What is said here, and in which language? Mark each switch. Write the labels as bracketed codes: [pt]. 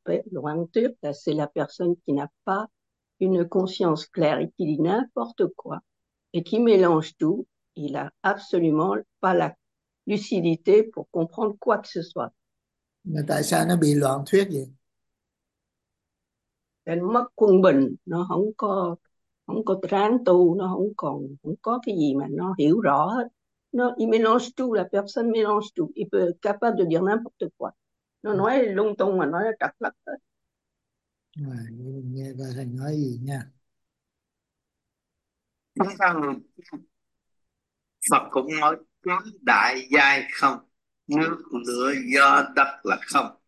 [vi] Loạn thuyết là [fr] c'est la personne qui n'a pas une conscience claire et qui dit n'importe quoi et qui mélange tout. Il a absolument pas la lucidité pour comprendre quoi que ce soit. [vi] Tại sao nó bị loạn thuyết vậy? Nên mất quân bình, nó không có ráng tu, nó không có cái gì mà nó hiểu rõ hết. [fr] Nó il mélange tout, la personne mélange tout, il peut capable de dire n'importe quoi. [vi] Nó nói lung tung mà nói trật lất hết. Nghe coi thầy nói gì nha. Nói rằng Phật cũng nói có đại giai không, nước lửa do đất là không.